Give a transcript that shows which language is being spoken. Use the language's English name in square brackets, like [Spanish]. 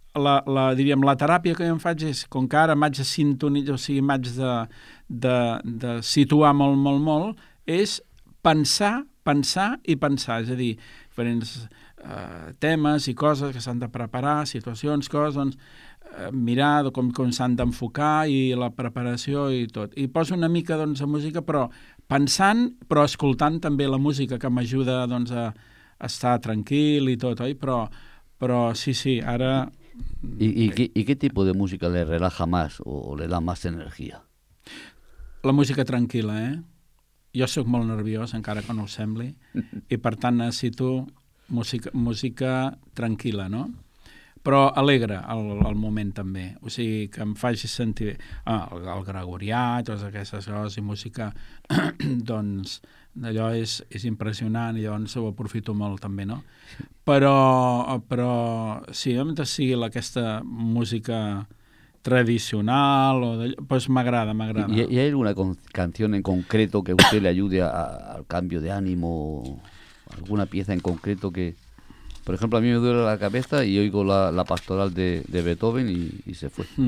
[Catalan] diríem, la teràpia que jo em faig és, com que ara m'haig de sintonitzar, o sigui, m'haig de situar molt, és pensar, és a dir, diferents temes i coses que s'han de preparar, situacions, coses, doncs, mirar com s'han d'enfocar i la preparació i tot. I poso una mica, doncs, de música, però pensant, però escoltant també la música, que m'ajuda, doncs, a estar tranquil i tot, oi? Però sí, ara... [Spanish] ¿Y qué tipo de música le relaja más o le da más energía? La música tranquila, ¿eh? Yo soy muy nervioso, [Catalan] encara que no lo sembli, [Spanish] y por tanto necesito música tranquila, ¿no? Pero alegre el momento también, o sea, [Catalan] que me faci sentir bé. El gregorià, todas aquestes coses y música, doncs, allò és impressionant i llavors ho aprofito molt també, no? Però sí, mentre sigui aquesta música tradicional, pues m'agrada. [Spanish] ¿Y hay alguna canción en concreto que usted le ayude al cambio de ánimo? ¿Alguna pieza en concreto que...? Por ejemplo, a mí me duele la cabeza y oigo la pastoral de Beethoven y se fue.